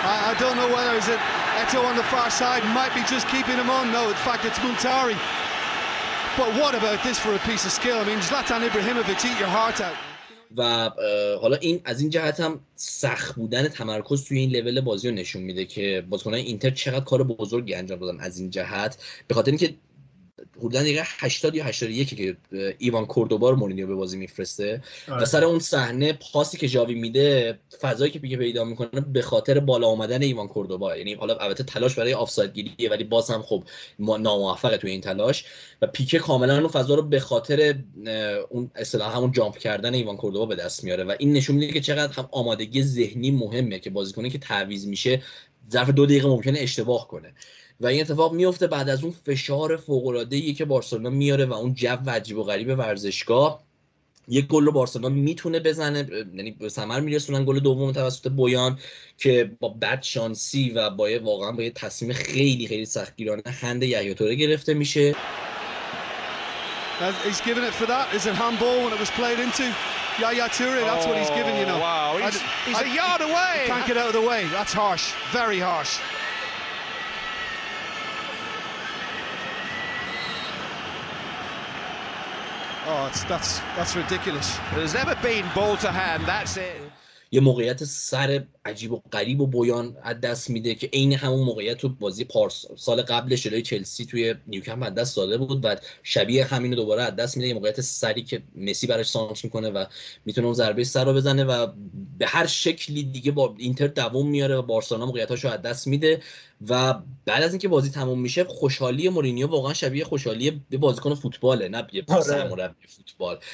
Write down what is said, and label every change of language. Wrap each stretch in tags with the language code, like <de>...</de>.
<en>I don't know whether is it Eto on the far side, might be just keeping him on, no, in fact it's Muntari. But what about this for a piece of skill? I mean, Zlatan Ibrahimovic, eat your heart out.</en> <fa>و حالا این از این جهت هم سخت بودن تمرکز توی این لول بازی رو نشون میده که بازیکنان اینتر چقدر کار بزرگی انجام دادن از این جهت، به خاطر اینکه حدوداً دقیقه 80 یا 81 که ایوان کوردوبا رو مورینیو به بازی میفرسته و سر اون صحنه پاسی که جاوی میده فضایی که پیکه پیدا میکنه به خاطر بالا اومدن ایوان کوردوبا، یعنی حالا البته تلاش برای آفساید گیریه ولی باز هم خب ناموفقه توی این تلاش و پیکه کاملا اون فضا رو به خاطر اون اصطلاح همون جامپ کردن ایوان کوردوبا به دست میاره و این نشون میده که چقدر هم آمادگی ذهنی مهمه که بازیکنی که تعویض میشه ظرف 2 دقیقه ممکنه اشتباه کنه و این اتفاق میفته، بعد از اون فشار فوق العاده ای که بارسلونا میاره و اون جو عجیب و غریب ورزشگاه یه گل رو بارسلونا میتونه بزنه، یعنی به ثمر میرسونن گل دوم توسط بویان که با بد شانسی و با یه واقعا با یه تصمیم خیلی خیلی سختگیرانه هند یحیی توره گرفته میشه.</fa> <en>He's given it for that. Is it handball when it was played into Yaya Touré? That's what he's given, you know. Wow, he's a yard away. He can't get out of the way. That's harsh. Very harsh. Oh, that's ridiculous. There's never been ball to hand. That's it.</en> <fa>یه موقعیت سر عجیب و غریب و بویان از دست میده که این همون موقعیت رو بازی سال قبلش جلوی چلسی توی نیوکمپ از دست داده بود و شبیه همین رو دوباره از دست میده. یه موقعیت سری که مسی براش سانتر میکنه و میتونه اون ضربه سر رو بزنه و به هر شکلی دیگه با اینتر دووم میاره و بارسلونا موقعیتاشو از دست میده و بعد از اینکه بازی تموم میشه خوشحالی مورینیو واقعا شبیه خوشحالی یه بازیکن فوتباله، نه یه سرمربی فوتبال.</fa>